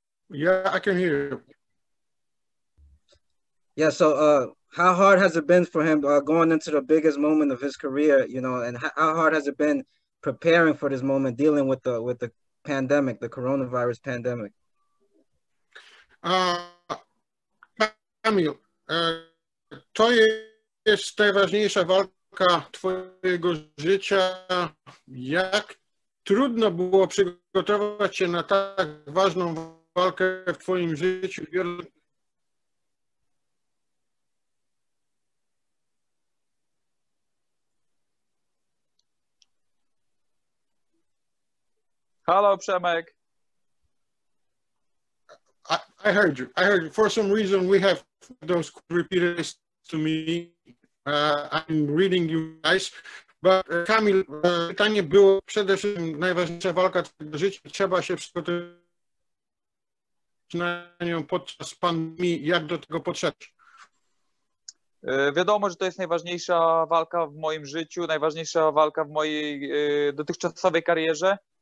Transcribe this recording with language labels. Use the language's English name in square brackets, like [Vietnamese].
[English] Yeah, I can hear you. Yeah, so how hard has it been for him going into the biggest moment of his career, you know, and how hard has it been preparing for this moment, dealing with the pandemic, the coronavirus pandemic? [Polish] Kamil, to jest najważniejsza walka twojego życia. Jak trudno było przygotować się na tak ważną walkę w twoim życiu? [English] Hello, Przemek. I heard you. For some reason, we have those repeaters to me. I'm reading you guys. [Polish] But Kamil, pytanie było przede wszystkim najważniejsza walka twojego życia. Trzeba się przygotować na nią podczas pandemii. Jak do tego podszedł? Wiadomo, że to jest najważniejsza walka w moim życiu, najważniejsza walka w mojej dotychczasowej karierze.